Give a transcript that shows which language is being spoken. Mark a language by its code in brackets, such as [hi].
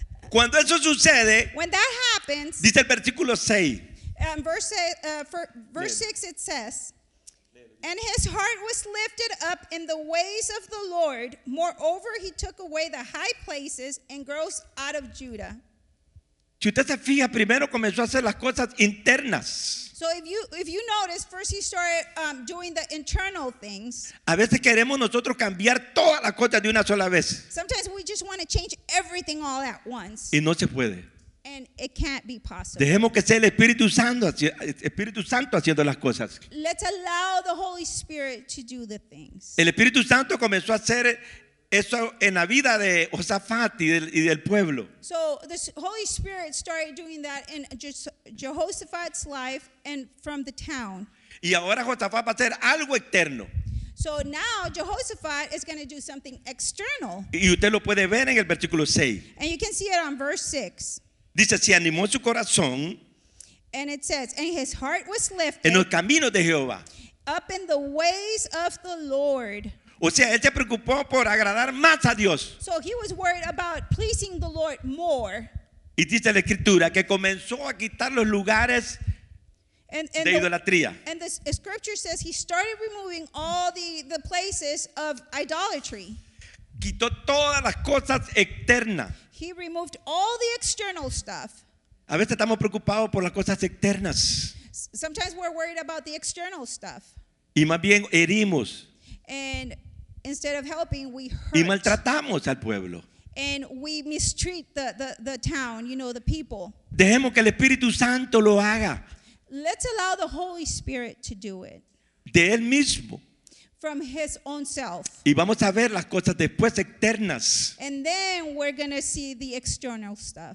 [es] Cuando eso sucede, [en] when that happens, [es] dice el versículo 6. [en] Verse 6 it says, And his heart was lifted up in the ways of the Lord. Moreover, he took away the high places and groves out of Judah. [es] Si usted se fija, primero comenzó a hacer las cosas internas. [en] So if you notice, first he started doing the internal things. [es] A veces queremos nosotros cambiar todas las cosas de una sola vez. [en] Sometimes we just want to change everything all at once. [es] Y no se puede. [en] And it can't be possible. [es] Dejemos que sea el Espíritu Santo haciendo las cosas. [en] Let's allow the Holy Spirit to do the things. [es] El Espíritu Santo comenzó a hacer eso en la vida de Josafat y del pueblo. [en] So the Holy Spirit started doing that in Jehoshaphat's life and from the town. [es] Y ahora Josafat va a hacer algo externo. [en] So now Jehoshaphat is going to do something external. [es] Y usted lo puede ver en el versículo 6. [en] And you can see it on verse 6. [es] Dice, se animó su corazón. [en] And it says, and his heart was lifted. [es] En los caminos de Jehová. [en] Up in the ways of the Lord. [es] O sea, él se preocupó por agradar más a Dios. [en] So he was worried about pleasing the Lord more. [es] Y dice la escritura que comenzó a quitar los lugares de idolatría. [en] And the scripture says he started removing all the places of idolatry. [es] Quitó todas las cosas externas. [en] He removed all the external stuff. [es] A veces estamos preocupados por las cosas externas. [en] Sometimes we're worried about the external stuff. [es] Y más bien herimos. [en] And instead of helping, we hurt. [es] Y maltratamos al pueblo. [en] And we mistreat the town, you know, the people. [es] Dejemos que el Espíritu Santo lo haga. [en] Let's allow the Holy Spirit to do it. [es] De él mismo. [en] From his own self. [es] Y vamos a ver las cosas después externas. [en] And then we're going to see the external stuff.